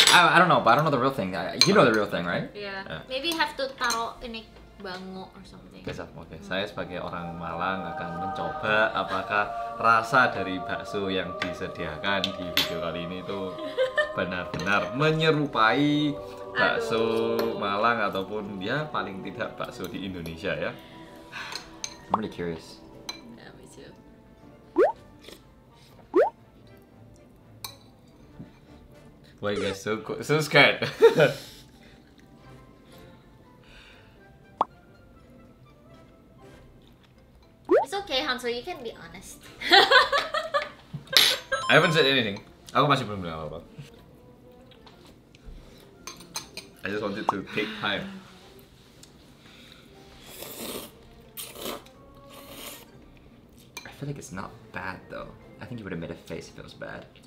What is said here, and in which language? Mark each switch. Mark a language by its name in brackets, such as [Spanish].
[English] I don't know, but I don't know the real thing. You know the real thing, right? Yeah. Maybe you have to [Indonesian] taro ini [English] bango or something. [Indonesian] Besok, oke. Okay. Hmm. Saya sebagai orang Malang akan mencoba apakah rasa dari bakso yang disediakan di video kali ini itu benar-benar menyerupai bakso Malang ataupun dia ya, paling tidak bakso di Indonesia ya. [English] I'm really curious. Why you guys so scared? It's okay, Hansel. You can be honest. I haven't said anything. [Indonesian] Aku masih belum bilang apa-apa. [English] I just wanted to take time. I feel like it's not bad though. I think you would have made a face if it was bad.